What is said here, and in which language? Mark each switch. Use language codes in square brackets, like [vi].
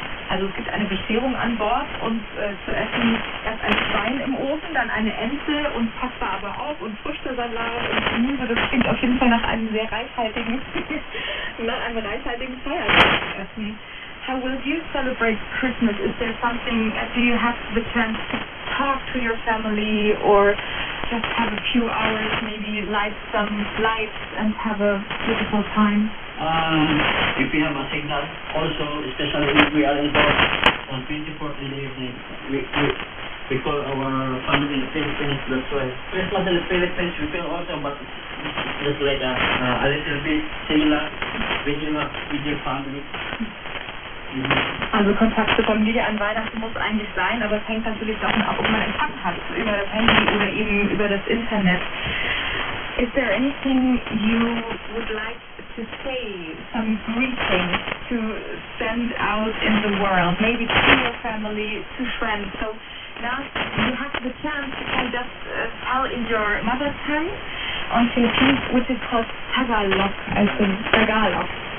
[de] Also es gibt eine Bescherung an Bord und zu essen erst ein Schwein im Ofen, dann eine Ente und Pasta aber auch und Früchtesalat und Gemüse. Das klingt auf jeden Fall nach einem sehr reichhaltigen, nach einem reichhaltigen Feiertagessen. [en] How will you celebrate Christmas? Is there something, do you have the chance to talk to your family or just have a few hours, maybe light some lights and have a beautiful time? If we have a signal, also, especially if we are involved on 24th in the evening, we call our family in the Philippines, that's why. Christmas in the Philippines, we feel also, but just like a little bit similar with your family. [de] Also Kontakt zur Familie an Weihnachten muss eigentlich sein, aber es hängt natürlich davon ab, ob man Empfang hat, über das Handy oder eben über das Internet. [en] Is there anything you would like to say, some greetings to send out in the world, maybe to your family, to friends? So now you have the chance to kind of tell in your mother tongue on Philippines, which is called Tagalog, also Tagalog.